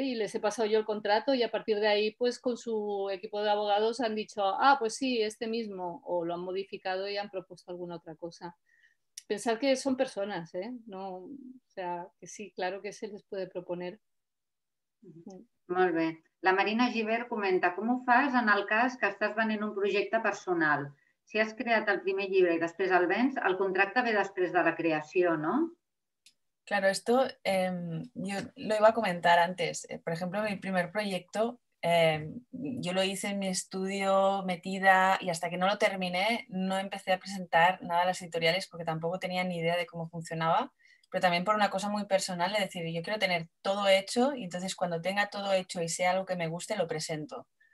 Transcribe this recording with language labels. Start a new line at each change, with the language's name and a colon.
Spanish: Y les he pasado yo el contrato y a partir de ahí, pues con su equipo de abogados han dicho, ah, pues sí, este mismo, o lo han modificado y han propuesto alguna otra cosa. Pensad que son personas, ¿eh? No, o sea, que sí, claro que se les puede proponer.
Catalan: Molt bé. La Marina Giver comenta,
Spanish: ¿cómo fas
Catalan: en el cas que estás venent un projecte personal? Si has creat el primer llibre i després el vens, el contracte ve després de la creació, ¿no?
Spanish: Claro, esto yo lo iba a comentar antes. Por ejemplo, mi primer proyecto, yo lo hice en mi estudio metida y hasta que no lo terminé no empecé a presentar nada a las editoriales porque tampoco tenía ni idea de cómo funcionaba, pero también por una cosa muy personal, es decir, yo quiero tener todo hecho y entonces cuando tenga todo hecho y sea algo que me guste, lo presento.